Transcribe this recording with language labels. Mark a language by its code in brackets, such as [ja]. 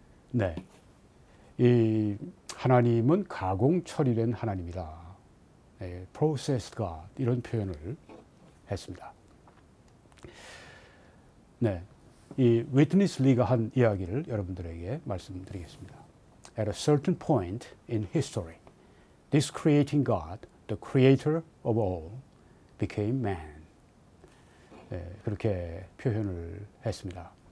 [ko] 네, 이 하나님은 가공 처리된 하나님이다. 네, Processed God 이런 표현을 했습니다. 네, 이 위트니스 리가 한 이야기를 여러분들에게 말씀드리겠습니다. [en] At a certain point in history, this creating God, the creator of all, became man. [ko] 네, 그렇게 표현을 했습니다.